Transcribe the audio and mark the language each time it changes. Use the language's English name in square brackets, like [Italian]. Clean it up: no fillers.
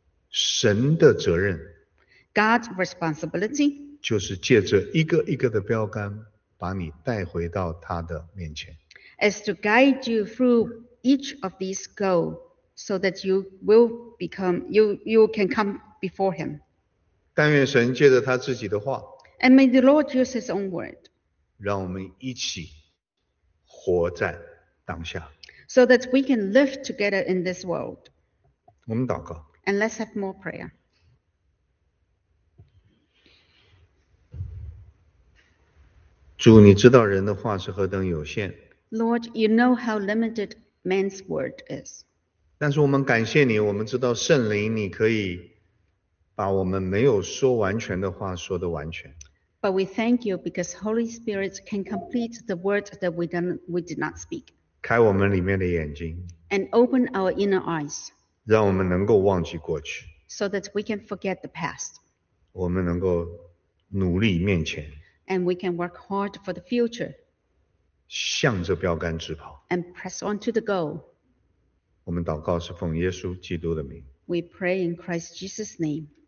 [Chinese] 神的责任。 [English] God's responsibility. [Chinese] 就是借着一个一个的标杆把你带回到他的面前。 [English] Is to guide you through each of these goals so that you will become, you can come before him. [Chinese] 但愿神借着他自己的话 [English] And may the Lord use his own word. [Chinese] 让我们一起活在当下 [English] So that we can live together in this world. [Chinese] 我们祷告 [English] And let's have more prayer. [Chinese] 主你知道人的话是何等有限 [English] Lord, you know how limited man's word is. [Chinese] 但是我们感谢你我们知道圣灵你可以把我们没有说完全的话说得完全。 [English] But we thank you because Holy Spirit can complete the words that we did not speak. [Chinese] 开我们里面的眼睛。 [English] And open our inner eyes. [Chinese] 让我们能够忘记过去。 [English] So that we can forget the past. [Chinese] 我们能够努力面前。 [English] And we can work hard for the future. [Chinese] 向着标杆直跑。 [English] And press on to the goal. [Chinese] 我们祷告是奉耶稣基督的名。 [English] We pray in Christ Jesus' name.